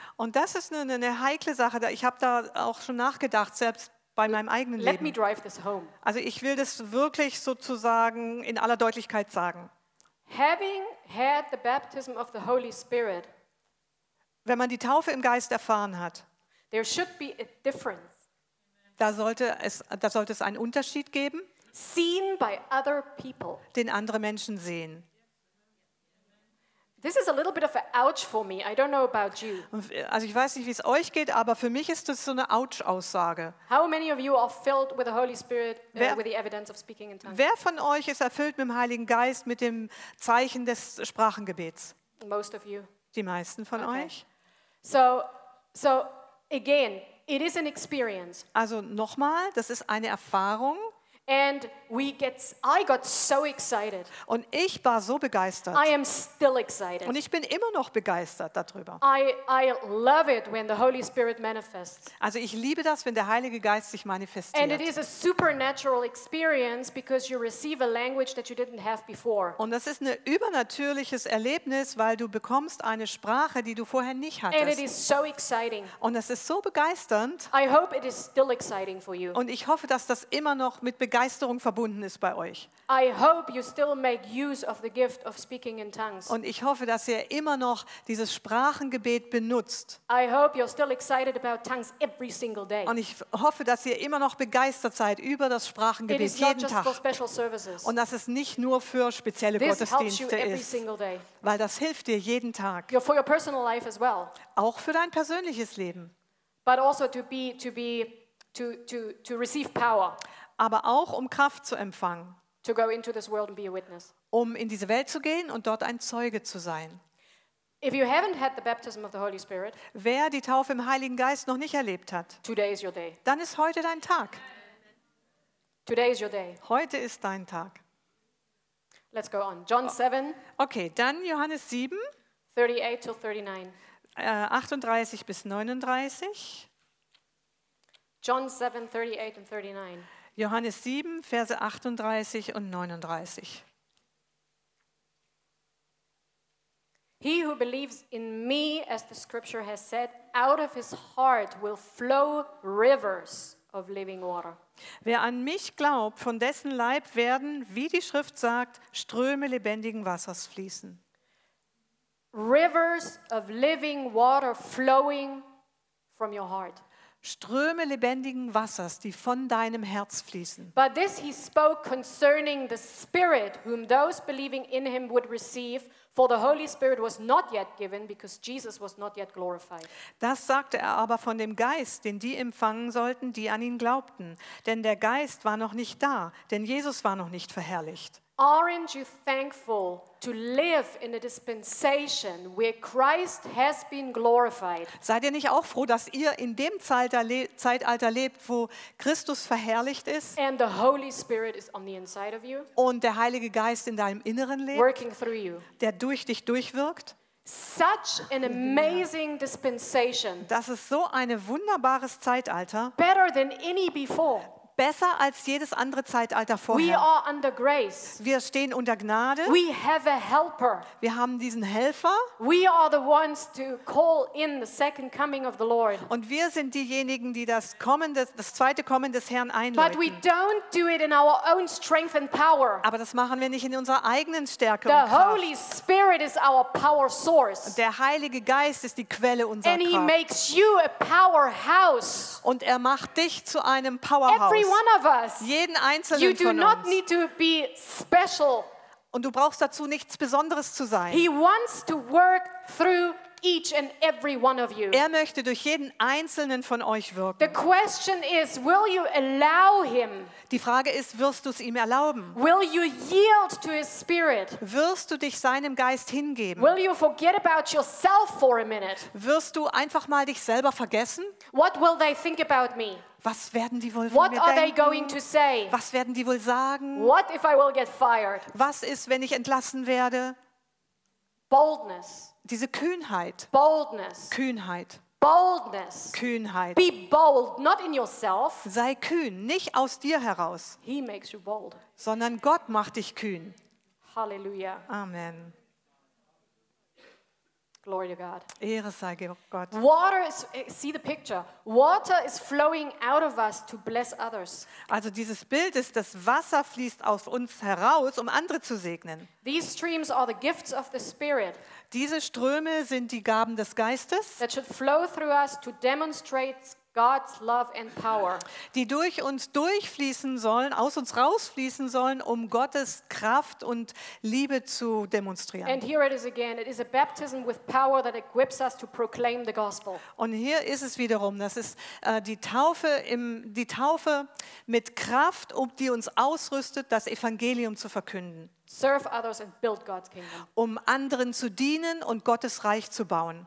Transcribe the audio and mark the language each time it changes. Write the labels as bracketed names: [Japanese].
[German] Und das ist eine heikle Sache. Ich habe da auch schon nachgedacht, selbst bei meinem eigenen [English] Let [German] Leben. [English] Me drive this home. [German] Also ich will das wirklich sozusagen in aller Deutlichkeit sagen. [English] Having had the baptism of the Holy Spirit, [German] wenn man die Taufe im Geist erfahren hat, [English] there should be a difference. [German] Da sollte es einen Unterschied geben. [English] Seen by other people. [German] Den andere Menschen sehen. [English] This is a little bit of an ouch for me. I don't know about you. [German] Also ich weiß nicht, wie es euch geht, aber für mich ist das so eine Ouch-Aussage. [English] How many of you are filled with the Holy Spirit with the evidence of speaking in tongues? [German] Wer von euch ist erfüllt mit dem Heiligen Geist mit dem Zeichen des Sprachengebets? [English] Most of you. [German] Die meisten von okay. euch? [English] So again, it is an experience. [German] Also nochmal, das ist eine Erfahrung. [English] And I got so excited. [German] Und ich war so begeistert. [English] I am still excited. [German] Und ich bin immer noch begeistert darüber. [English] I love it when the Holy Spirit manifests. [German] Also ich liebe das, wenn der Heilige Geist sich manifestiert. [English] And it is a supernatural experience because you receive a language that you didn't have before. [German] Und das ist ein übernatürliches Erlebnis, weil du bekommst eine Sprache, die du vorher nicht hattest. [English] And it is so exciting. [German] Und das ist so begeisternd. [English] I hope it is still exciting for you. [German] Und ich hoffe, dass das immer noch mit Begeisterung verbunden ist bei euch. [English] I hope you still make use of the gift of speaking in tongues. [German] Und ich hoffe, dass ihr immer noch dieses Sprachengebet benutzt. [English] I hope you're still excited about tongues every single day. [German] Und ich hoffe, dass ihr immer noch begeistert seid über das Sprachengebet jeden Tag. [English] For special services. [German] Und dass es nicht nur für spezielle [English] This [German] Gottesdienste [English] helps you every [German] ist, [English] single day. [German] Weil das hilft dir jeden Tag. [English] For your personal life as well. [German] Auch für dein persönliches Leben. [English] But also to receive power. [German] Aber auch um Kraft zu empfangen. [English] To go into this world and be a witness. [German] Um in diese Welt zu gehen und dort ein Zeuge zu sein. [English] If you haven't had the baptism of the Holy Spirit, [German] wer die Taufe im Heiligen Geist noch nicht erlebt hat, [English] today is your day. [German] Dann ist heute dein Tag. [English] Today is your day. [German] Heute ist dein Tag. [English] Let's go on. John 7. [German] Okay, dann Johannes 7. [English] 38 to 39. [German] 38 bis 39. [English] John 7, 38 and 39. [German] Johannes 7, Verse 38 und 39. [English] He who believes in me, as the scripture has said, out of his heart will flow rivers of living water. [German] Wer an mich glaubt, von dessen Leib werden, wie die Schrift sagt, Ströme lebendigen Wassers fließen. [English] Rivers of living water flowing from your heart. [German] Ströme lebendigen Wassers, die von deinem Herz fließen. [English] But this he spoke concerning the Spirit, whom those believing in him would receive, for the Holy Spirit was not yet given, because Jesus was not yet glorified. [German] Das sagte er aber von dem Geist, den die empfangen sollten, die an ihn glaubten. Denn der Geist war noch nicht da, denn Jesus war noch nicht verherrlicht. [English] Aren't you thankful to live in a dispensation where Christ has been glorified? [German] Seid ihr nicht auch froh, dass ihr in dem Zeitalter lebt, wo Christus verherrlicht ist? [English] And the Holy Spirit is on the inside of you. [German] Und der Heilige Geist in deinem Inneren lebt. [English] Working through you. [German] Der durch dich durchwirkt. [English] Such an amazing dispensation. [German] Das ist so ein wunderbares Zeitalter. [English] Better than any before. [German] Besser als jedes andere Zeitalter vorher. [English] We are under grace. [German] Wir stehen unter Gnade. [English] We have a helper. [German] Wir haben diesen Helfer. [English] We are the ones to call in the second coming of the Lord. [German] Und wir sind diejenigen, die das zweite Kommen des Herrn einläuten. [English] But we don't do it in our own strength and power. [German] Aber das machen wir nicht in unserer eigenen Stärke [English] the [German] und Kraft. [English] Holy Spirit is our power source. [German] Der Heilige Geist ist die Quelle unserer [English] and [German] Kraft. [English] He makes you a powerhouse. [German] Und er macht dich zu einem Powerhouse. [English] Every one of us. [German] Jeden einzelnen [English] you do [German] von [English] not [German] uns. [English] Need to be special. [German] Und du brauchst dazu nichts Besonderes zu sein. [English] He wants to work through each and every one of you. [German] Er möchte durch jeden einzelnen von euch wirken. [English] The question is, will you allow him? [German] Die Frage ist, wirst du es ihm erlauben? [English] Will you yield to his spirit? [German] Wirst du dich seinem Geist hingeben? [English] Will you forget about yourself for a minute? [German] Wirst du einfach mal dich selber vergessen? [English] What will they think about me? [German] Was werden die wohl [English] What [German] von mir [English] are [German] denken? [English] They going to say? [German] Was werden die wohl sagen? [English] What if I will get fired? [German] Was ist, wenn ich entlassen werde? [English] Boldness. [German] Diese Kühnheit. [English] Boldness. [German] Kühnheit. [English] Boldness. [German] Kühnheit. [English] Be bold, not in yourself. [German] Sei kühn, nicht aus dir heraus. [English] He makes you bold. [German] Sondern Gott macht dich kühn. Halleluja. Amen. [English] Glory to God. [German] Ehre sei Gott. [English] Water is, see the picture. Water is flowing out of us to bless others. [German] Also dieses Bild ist, das Wasser fließt aus uns heraus, um andere zu segnen. [English] These streams are the gifts of the Spirit. [German] Diese Ströme sind die Gaben des Geistes. [English] That should flow through us to demonstrate God's love and power. [German] Die durch uns durchfließen sollen, aus uns rausfließen sollen, um Gottes Kraft und Liebe zu demonstrieren. [English] And here it is again. It is a baptism with power that equips us to proclaim the gospel. [German] Und hier ist es wiederum. Das ist die Taufe mit Kraft, um die uns ausrüstet, das Evangelium zu verkünden. [English] Serve others and build God's kingdom. [German] Um anderen zu dienen und Gottes Reich zu bauen.